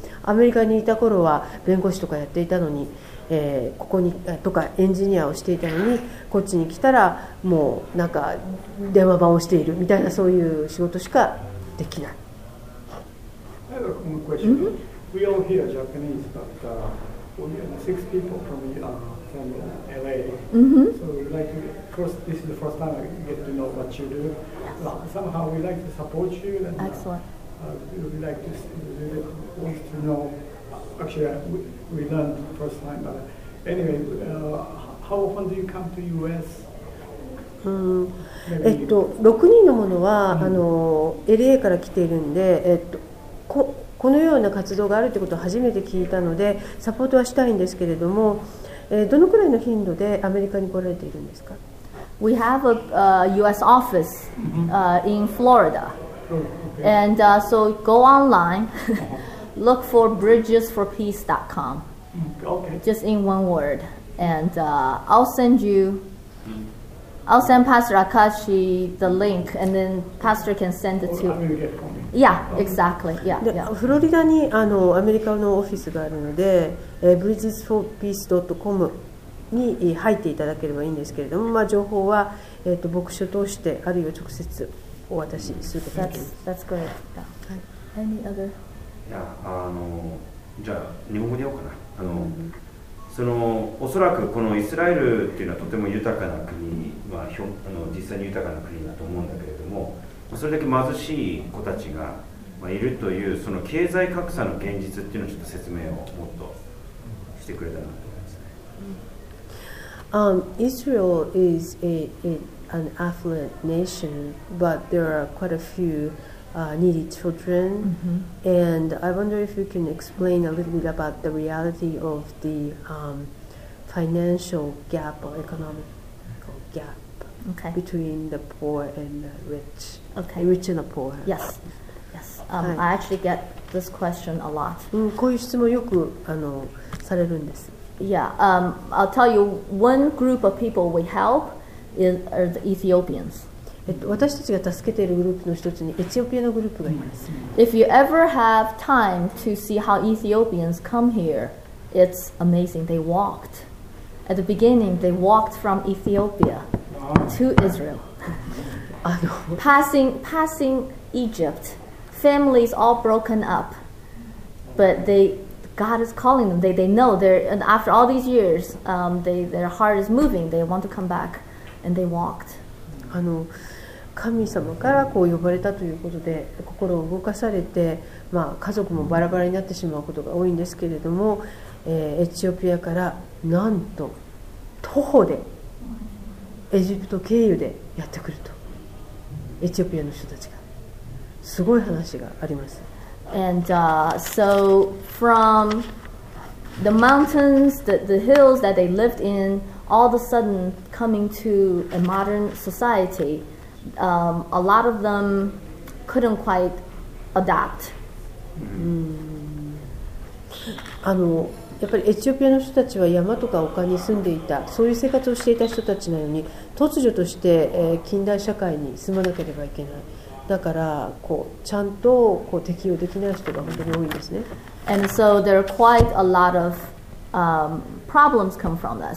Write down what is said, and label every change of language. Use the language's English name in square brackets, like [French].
[Japanese] アメリカにいた頃は弁護士とかやっていたのに、ここにとかエンジニアをしていたのに、こっちに来たらもうなんか電話番をしているみたいな、そういう仕事しかできない [English] 。 I have a common question. We all hear Japanese, but only six people from LA. So we like, of course, this is the first time I get to know what you do. Somehow we like to support you. Excellent. We would like to want to know. Actually, we learned the first time, but anyway, how often do you come to U.S.? [Japanese] 6人のものは、あの、LA から来ているんで、このような活動があるということを初めて聞いたので、サポートはしたいんですけれども、どのくらいの頻度でアメリカに来られているんですか？ [English] We have a U.S. office in Florida. Oh, okay. And so go online. Look for bridgesforpeace.com. Okay. Just in one word. And I'll send Pastor Akashi the link, and then Pastor can send it to you. Yeah, exactly. Yeah. [Japanese] フロリダにあのアメリカのオフィスがあるので、bridgesforpeace.com に入っていただければいいんですけれども、まあ、情報は、牧師を通して、あるいは直接お渡しすることができます。 [English] That's great. Yeah. Any other? [Japanese] いや、あの、じゃあ日本語でようかな。あの、そのおそらくこのイスラエルっていうのはとても豊かな国、まあ、あの実際に豊かな国だと思うんだけれども、それだけ貧しい子たちが、まあ、いるという、その経済格差の現実っていうのをちょっと説明をもっとしてくれたなと思いますね。 [English] Israel is an affluent nation, but there are quite a fewneedy children, and I wonder if you can explain a little bit about the reality of the financial gap or economic gap between the poor and the rich. Okay. Rich and the poor. Yes. Yes. I actually get this question a lot. [Japanese] こういう質問よくあのされるんです。 [English] Yeah. I'll tell you one group of people we help are the Ethiopians. [Japanese] 私たちが助けているグループの一つにエチオピアのグループがいます。 [English] If you ever have time to see how Ethiopians come here, it's amazing. They walked. At the beginning, they walked from Ethiopia to Israel. passing Egypt. Families all broken up. But God is calling them. They know. And after all these years, their heart is moving. They want to come back. And they walked. [Japanese] あの神様からこう呼ばれたということで心を動かされて、まあ、家族もバラバラになってしまうことが多いんですけれども、エチオピアからなんと徒歩でエジプト経由でやってくると、エチオピアの人たちが、すごい話があります。 [English] And so from the mountains, the hills that they lived inAll of a sudden, coming to a modern society, a lot of them couldn't quite adapt. [Japanese] あの、やっぱりエチオピアの人たちは山とか丘に住んでいた、そういう生活をしていた人たちのように、突如として、近代社会に住まなければいけない。だから、こうちゃんとこう適応できない人が本当に多いんですね。 [English] And so there are quite a lot ofproblems come from that.